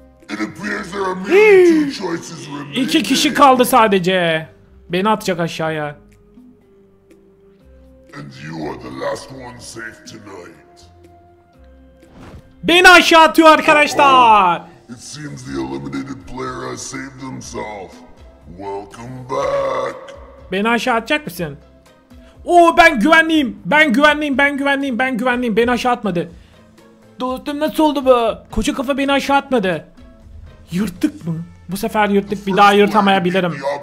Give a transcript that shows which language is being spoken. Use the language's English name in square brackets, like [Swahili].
[English] It appears there are two choices remaining. [Turkish] İki kişi kaldı sadece. Beni atacak aşağıya. [English] And you are the last one safe tonight. [Turkish] Beni aşağı atıyor arkadaşlar. [English] It seems the eliminated player has saved himself. Welcome back. [Turkish] Beni aşağı atacak mısın? Oo, ben güvenliyim. Ben güvenliyim. Ben güvenliyim. Ben güvenliyim. Beni aşağı atmadı. Dostum nasıl oldu bu? Koca kafa beni aşağı atmadı. Yırttık mı? Bu sefer yırttık. Bir daha yırtamayabilirim.